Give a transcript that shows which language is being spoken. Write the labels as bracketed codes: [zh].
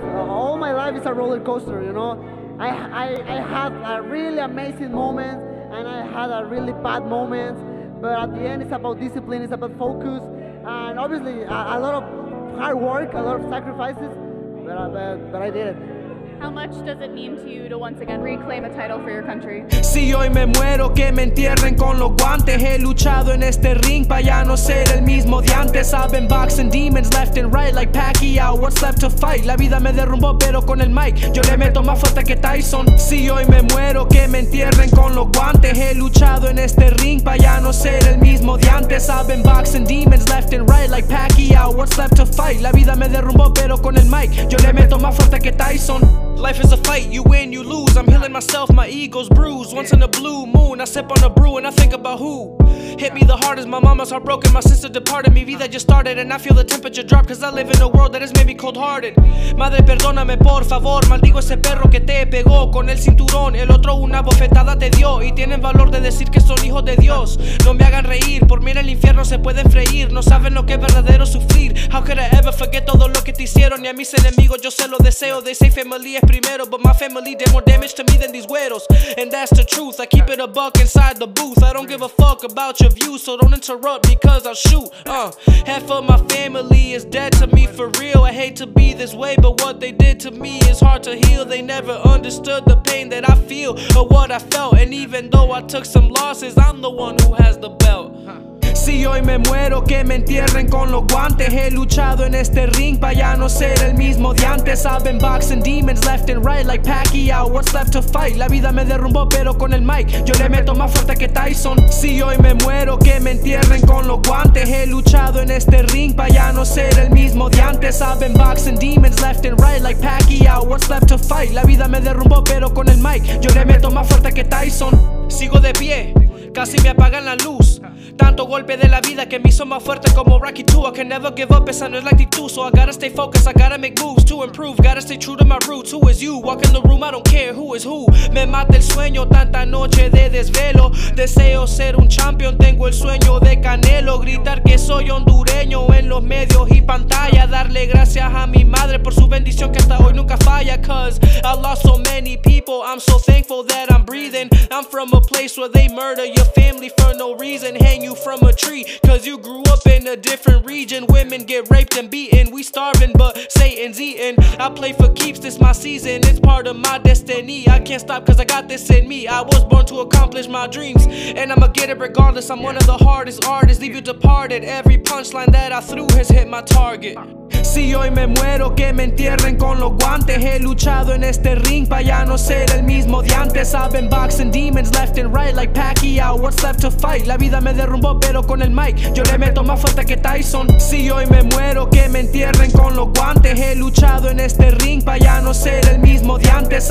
[en] All my life is a roller coaster, you know? I had a really amazing moment, and I had a really bad moment. But at the end, it's about discipline, it's about focus. And obviously, a lot of hard work, a lot of sacrifices, but I did it. How much does it mean to you to once again reclaim a title for your country? [es] Si hoy me muero, que me entierren con los guantes. He luchado en este ring pa' ya no ser el mismo de antes. [en] I've been boxing demons left and right like Pacquiao. What's left to fight? [es] La vida me derrumbó, pero con el mic yo le meto más fuerte que Tyson. Si hoy me muero, que me entierren con los guantes. He luchado en este ring pa' ya no ser el mismo de antes. [en] I've been boxing demons left and right like Pacquiao. What's left to fight? [es] La vida me derrumbó, pero con el mic yo le meto más fuerte que Tyson. [en] Life is a fight, you win, you lose. I'm healing myself, my ego's bruised. Once in a blue moon, I sip on a brew and I think about who hit me the hardest. My mama's heart broken, my sister departed. [es] Mi vida [en] just started and I feel the temperature drop, cause I live in a world that has made me cold hearted. [es] Madre, perdóname por favor. Maldigo ese perro que te pegó con el cinturón. El otro una bofetada te dio. Y tienen valor de decir que son hijos de Dios. No me hagan reír, por mí en el infierno se pueden freír. No saben lo que es verdadero sufrir. [en] How could I ever forget [es] todo lo que te hicieron? Y a mis enemigos yo se lo deseo. [en] They say family [es] es primero, [en] but my family did more damage to me than these güeros. And that's the truth, I keep it a buck inside the booth. I don't give a fuck about your views, so don't interrupt because I'll shoot. Half of my family is dead to me for real. I hate to be this way, but what they did to me is hard to heal. They never understood the pain that I feel or what I felt. And even though I took some losses, I'm the one who has the belt. [es] Si hoy me muero, que me entierren con los guantes. He luchado en este ring pa' ya no ser el mismo de antes. [en] I've been boxing demons left and right like Pacquiao. What's left to fight? [es] La vida me derrumbó, pero con el mic yo le meto más fuerte que Tyson. Si hoy me muero, que me entierren con los guantes. He luchado en este ring pa' ya no ser el mismo de antes. [en] I've been boxing demons left and right like Pacquiao. What's left to fight? [es] La vida me derrumbó, pero con el mic yo le meto más fuerte que Tyson. Sigo de pie, casi me apagan la luz. Tanto golpe de la vida que me hizo más fuerte como Rocky 2. [en] I can never give up, [es] esa no es la actitud. [en] So I gotta stay focused, I gotta make moves to improve. Gotta stay true to my roots, who is you? Walk in the room, I don't care who is who. [es] Me mata el sueño, tanta noche de desvelo. Deseo ser un champion, tengo el sueño de Canelo. Gritar que soy hondureño en los medios y pantalla. Darle gracias a mi madre por su bendición que hasta hoy nunca falla. [en] Cause I lost so many people, I'm so thankful that I'm breathing. I'm from a place where they murder your family for no reason. Hang you from a tree, cause you grew up in a different region. Women get raped and beaten, we starving, but Satan's eating. I play for keeps, this my season, it's part of my destiny. I can't stop cause I got this in me. I was born to accomplish my dreams, and I'ma get it regardless. I'm one of the hardest artists, leave you departed. Every punchline that I threw has hit my target. [es] Si hoy me muero, que me entierren con los guantes. He luchado en este ring pa' ya no ser el mismo de antes. [en] I've been boxing demons left and right like Pacquiao. What's left to fight? [es] La vida me derrumbó, pero con el mic yo le meto más fuerte que Tyson. Si hoy me muero, que me entierren con los guantes. He luchado en este ring pa' ya no ser el mismo de antes.